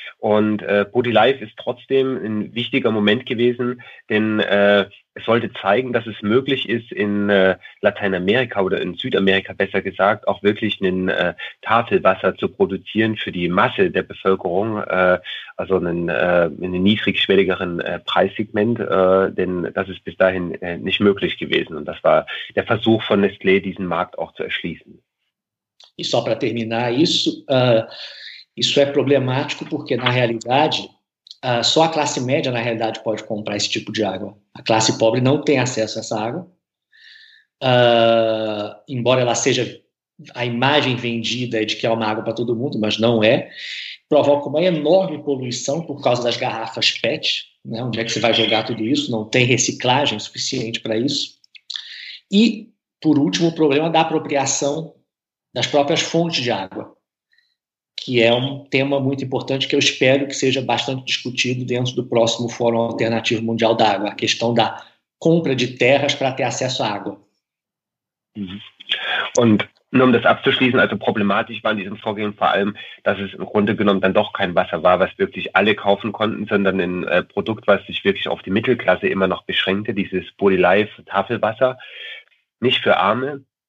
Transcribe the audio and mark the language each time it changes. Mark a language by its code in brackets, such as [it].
[de] Und Puri Life ist trotzdem ein wichtiger Moment gewesen, denn es sollte zeigen, dass es möglich ist, in Lateinamerika oder in Südamerika besser gesagt, auch wirklich ein Tafelwasser zu produzieren für die Masse der Bevölkerung, also einen niedrigschwelligeren Preissegment, denn das ist bis dahin nicht möglich gewesen. Und das war der Versuch von Nestlé, diesen Markt auch zu erschließen. [pt] E só para terminar isso, isso é problemático porque, na realidade, só a classe média, na realidade, pode comprar esse tipo de água. A classe pobre não tem acesso a essa água. Embora ela seja a imagem vendida de que é uma água para todo mundo, mas não é. Provoca uma enorme poluição por causa das garrafas PET, né? Onde é que você vai jogar tudo isso? Não tem reciclagem suficiente para isso. E, por último, o problema da apropriação das próprias fontes de água, que é um tema muito importante que eu espero que seja bastante discutido dentro do próximo Fórum Alternativo Mundial da Água, a questão da compra de terras para ter acesso à água. [de] Und um das abzuschließen, also problematisch war in diesem Vorgehen vor allem, dass es im Grunde genommen dann doch kein Wasser war, was wirklich alle kaufen konnten, sondern ein Produkt, was sich wirklich auf die Mittelklasse immer noch beschränkte, dieses Puri Life Tafelwasser, nicht für Arme.